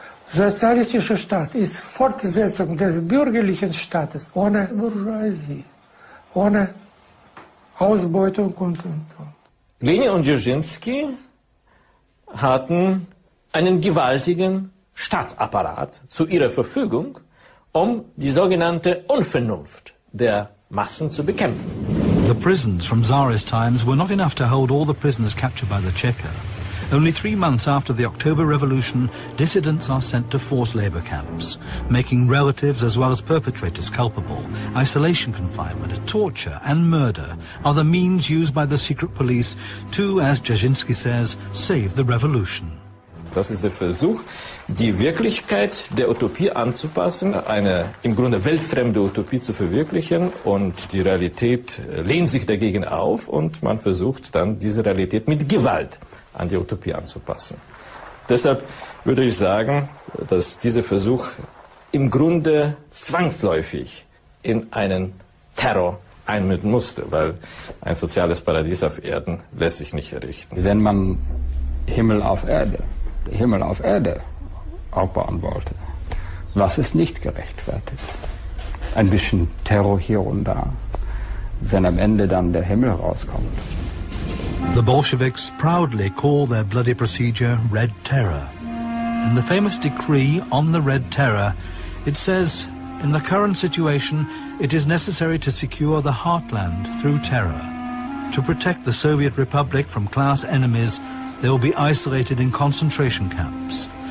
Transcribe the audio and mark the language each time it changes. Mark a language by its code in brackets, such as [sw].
[de] Sozialistischer Staat ist Fortsetzung des bürgerlichen Staates ohne Bourgeoisie, ohne Ausbeutung und. Lenin und Dzerzhinsky hatten einen gewaltigen Staatsapparat zu ihrer Verfügung, um die sogenannte Unvernunft der Massen zu bekämpfen. [en] The prisons from Tsarist times were not enough to hold all the prisoners captured by the Cheka. Only 3 months after the October Revolution, dissidents are sent to forced labor camps, making relatives as well as perpetrators culpable. Isolation confinement, torture and murder are the means used by the secret police to, as Dzerzhinsky says, save the revolution. [de] Das ist der Versuch, die Wirklichkeit der Utopie anzupassen, eine im Grunde weltfremde Utopie zu verwirklichen, und die Realität lehnt sich dagegen auf und man versucht dann diese Realität mit Gewalt an die Utopie anzupassen. Deshalb würde ich sagen, dass dieser Versuch im Grunde zwangsläufig in einen Terror einmünden musste, weil ein soziales Paradies auf Erden lässt sich nicht errichten. Wenn man Himmel auf Erde aufbauen wollte, was ist nicht gerechtfertigt? Ein bisschen Terror hier und da, wenn am Ende dann der Himmel rauskommt. [en] The Bolsheviks proudly call their bloody procedure Red Terror. In the famous decree on the Red Terror, it says, in the current situation, it is necessary to secure the heartland through terror. To protect the Soviet Republic from class enemies, they will be isolated in concentration camps.